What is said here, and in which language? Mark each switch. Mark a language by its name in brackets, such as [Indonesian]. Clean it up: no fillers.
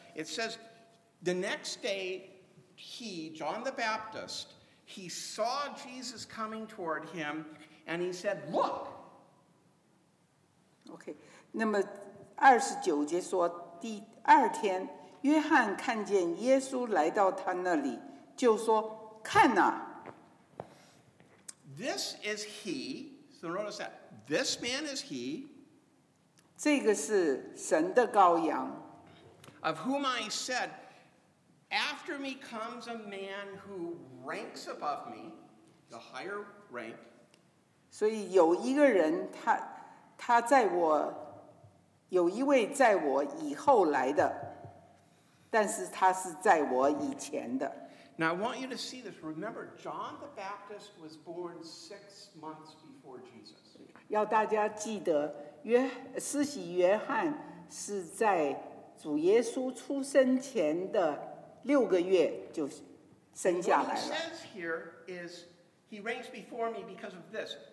[English] It says, the next day, John the Baptist, he saw Jesus coming toward him, and he said, look! [Chinese] Okay, 那么二十九节说，第二天，约翰看见耶稣来到他那里，就说，看哪。 [English] This is he, so notice that, this man is he, [Chinese] 这个是神的羔羊。 [English] Of whom I said, after me comes a man who ranks above me, the higher rank. [Chinese] 所以有一个人他在我有一位在我以后来的，但是他是在我以前的。 [English] Now I want you to see this. Remember, John the Baptist was born 6 months before Jesus. [Chinese] 要大家记得，施洗约翰是在主耶稣出生前的六个月就生下来了。 [English] What he says here is he ranks before me because of this.